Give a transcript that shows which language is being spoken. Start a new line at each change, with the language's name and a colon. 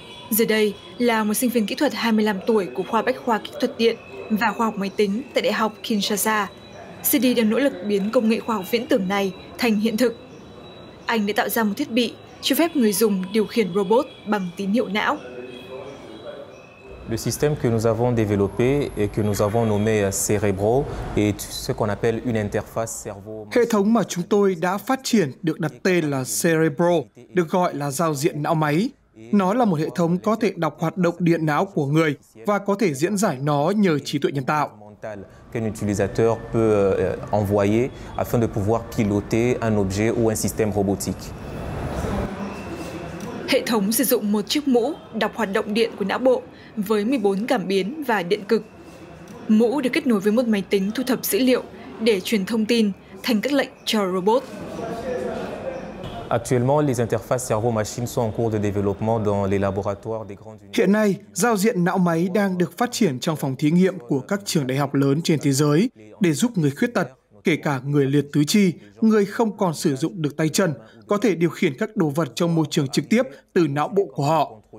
Vietnamese: Giờ đây là một sinh viên kỹ thuật 25 tuổi của khoa bách khoa kỹ thuật điện và khoa học máy tính tại Đại học Kinshasa. Seydi đang nỗ lực biến công nghệ khoa học viễn tưởng này thành hiện thực. Anh đã tạo ra một thiết bị cho phép người dùng điều khiển robot bằng tín hiệu não.
French: Le système que nous avons développé et que nous avons nommé Cerebro est ce qu'on appelle une interface cerveau.
Vietnamese: Hệ thống mà chúng tôi đã phát triển được đặt tên là Cerebro, được gọi là giao diện não máy. Nó là một hệ thống có thể đọc hoạt động điện não của người và có thể diễn giải nó nhờ trí tuệ nhân tạo.
French: Qu'un utilisateur peut envoyer afin de pouvoir piloter un objet ou un système robotique.
Vietnamese: Hệ thống sử dụng một chiếc mũ đọc hoạt động điện của não bộ với 14 cảm biến và điện cực. Mũ được kết nối với một máy tính thu thập dữ liệu để truyền thông tin thành các lệnh cho robot.
French: Actuellement, les interfaces cerveau-machine sont en cours de développement dans les laboratoires des grandes universités.
Vietnamese: Hiện nay, giao diện não máy đang được phát triển trong phòng thí nghiệm của các trường đại học lớn trên thế giới để giúp người khuyết tật, kể cả người liệt tứ chi, người không còn sử dụng được tay chân, có thể điều khiển các đồ vật trong môi trường trực tiếp từ não bộ của họ.